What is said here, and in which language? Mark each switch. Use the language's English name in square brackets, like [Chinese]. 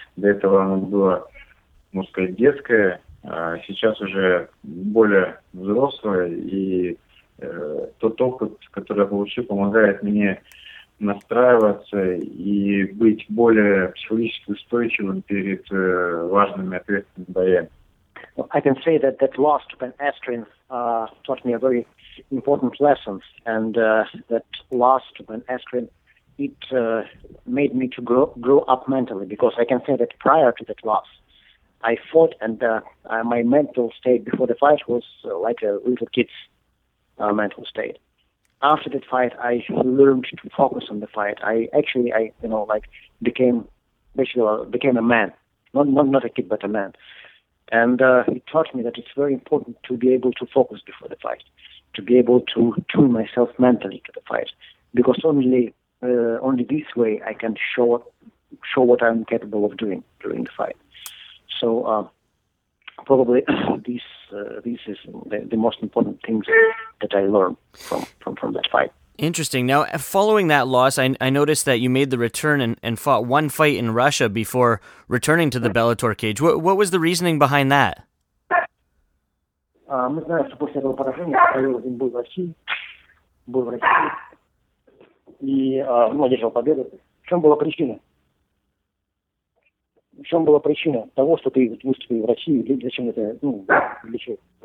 [Russian] До этого оно было, можно сказать, детское. Сейчас уже более взрослое. И тот опыт, который я получил, помогает мне настраиваться и быть более психологически устойчивым перед важными ответственными боями. [English] Well, I can say that that loss to Ben Askren taught me a very important lesson, and that loss to Ben Askren, it made me to grow up mentally, because I can say that prior to that loss, I fought, and my mental state before the fight was like a little kid's mental state. After that fight, I learned to focus on the fight. I became a man, not a kid, but a man. And it taught me that it's very important to be able to focus before the fight, to be able to tune myself mentally to the fight, because only this way I can show what I'm capable of doing during the fight. So probably this is the most important things that I learned from that fight. Interesting. Now, following that loss, I noticed that you made the return and fought one fight in Russia before returning to the Bellator cage. What was the reasoning behind that? [Russian] Мы знаем, что после этого поражения Павел был в России, и одержал победу. В чем была причина? В чем была причина того, что ты выступил в России? Зачем это, для чего?